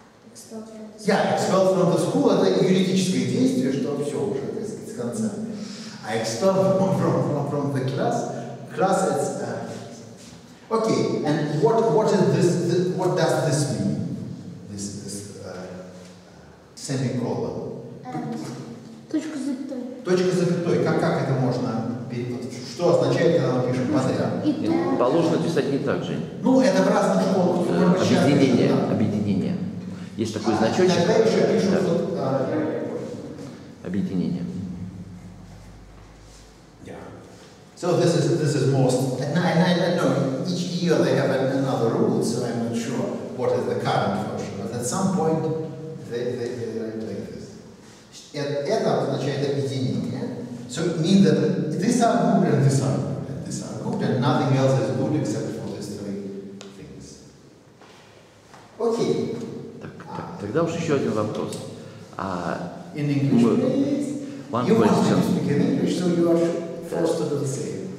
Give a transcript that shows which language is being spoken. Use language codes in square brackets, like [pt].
[en] Expelled from the school. [ru] Yeah, expelled from the school – это юридическое действие, что все уже, так сказать, с конца. [en] А expelled from the class – class – it's… Okay, and what is this, what does this mean, this semicolon? [ru] Точка запятой. Точка запятой. Как это можно? Что означает, когда мы пишем подряд? Положено писать не так, Жень. Ну, это в разных школах. Объединение. Объединение. Есть такой значочек. Иногда еще пишут, да. Объединение. [en] Yeah. So this is most... And I know, each year they have another rule, so I'm not sure what is the current version. But at some point they write like this. [ru] Это означает объединение. [en] So it means that these are good and these are good and these are good and nothing else is good except for these three things. Okay. [ru] Так, тогда уж еще один вопрос. [en] In English, please. You want to speak in English, so you are forced to do the same.